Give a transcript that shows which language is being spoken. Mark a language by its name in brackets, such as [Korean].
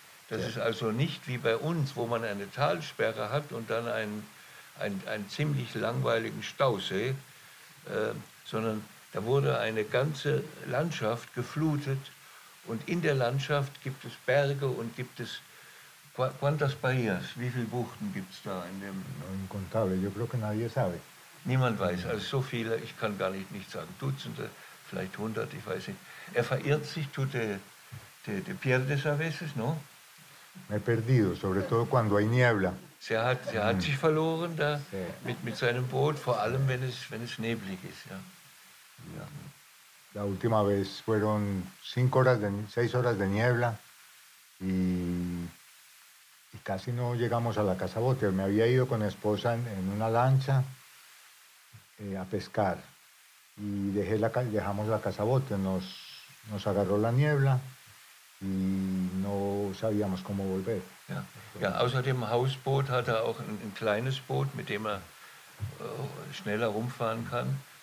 [German] Das ist also nicht wie bei uns, wo man eine Talsperre hat und dann einen ziemlich langweiligen Stausee, sondern da wurde eine ganze Landschaft geflutet. Und in der Landschaft gibt es Berge und gibt es [Spanish] quantas bahías? [German] Wie viele Buchten gibt es da in dem? [Spanish] Incontable, yo creo que nadie sabe. [German] Niemand weiß, also so viele, ich kann gar nicht sagen, Dutzende, vielleicht 100, ich weiß nicht. Er verirrt sich, [Spanish] tut de pierdes a veces, ¿no? Me he perdido, sobre todo cuando hay niebla. [German] Er hat sich verloren da mit seinem Boot, vor allem wenn es neblig ist, ja. Ja. [Spanish] La última vez fueron 6 horas de niebla y casi no llegamos a la casa bote. Me había ido con mi esposa en una lancha a pescar y dejamos la casa bote. Nos agarró la niebla y no sabíamos cómo volver. [German] Ja, außerdem Hausboot hat er auch ein kleines Boot, mit dem er schneller rumfahren kann.